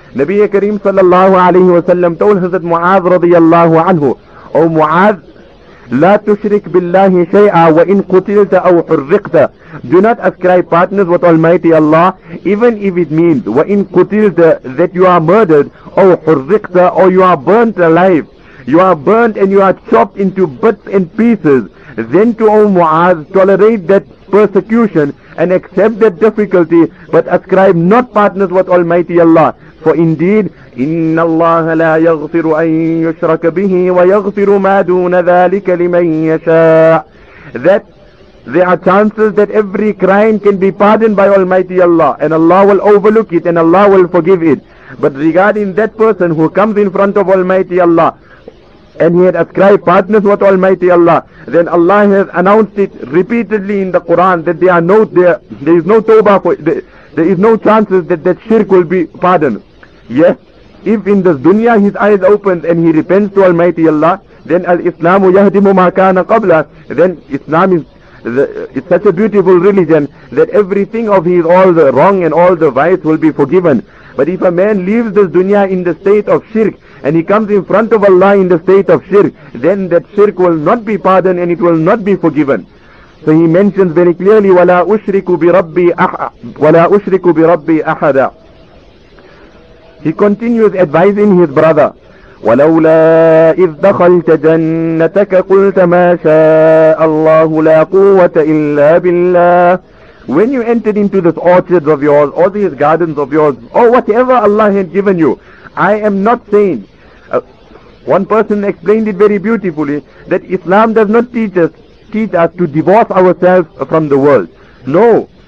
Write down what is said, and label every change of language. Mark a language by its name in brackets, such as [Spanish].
[English] Nabi Kareem sallallahu alayhi wa sallam told Hazrat Mu'adh radiyallahu anhu, O Mu'adh, [Arabic] لَا تُشْرِكْ بِاللَّهِ شَيْئًا وَإِنْ قُتِلْتَ أَوْ حُرِّقْتَ [English] Do not ascribe partners with Almighty Allah, even if it means [Arabic] وَإِنْ قُتِلْتَ [English] that you are murdered, [Arabic] أَوْ حُرِّقْتَ [English] or you are burnt alive, you are burnt and you are chopped into bits and pieces. Then to O Mu'adh, tolerate that persecution and accept that difficulty, but ascribe not partners with Almighty Allah. For indeed, [Arabic] إن الله لا يغفر أن يشرك به ويغفر ما دون ذلك لمن يشاء. [English] That there are chances that every crime can be pardoned by Almighty Allah, and Allah will overlook it and Allah will forgive it. But regarding that person who comes in front of Almighty Allah and he had ascribed partners with Almighty Allah, then Allah has announced it repeatedly in the Quran that there is no chances that shirk will be pardoned. Yes, if in this dunya his eyes opens and he repents to Almighty Allah, then [Arabic] al-Islamu yahdimu ma kana qabla, [English] then Islam is such a beautiful religion that everything of his, all the wrong and all the vice will be forgiven. But if a man leaves this dunya in the state of shirk and he comes in front of Allah in the state of shirk, then that shirk will not be pardoned and it will not be forgiven. So he mentions very clearly, [Arabic] وَلَا أُشْرِكُ بِرَبِّي أَحَدًا [English] He continues advising his brother, [Arabic] وَلَوْلَا إِذْ دَخَلْتَ جَنَّتَكَ قُلْتَ مَا شَاءَ اللَّهُ لَا قُوَّةَ إِلَّا بِاللَّهِ [English] when you entered into this orchards of yours or these gardens of yours or whatever Allah had given you, I am not saying, one person explained it very beautifully, that Islam does not teach us to divorce ourselves from the world. No.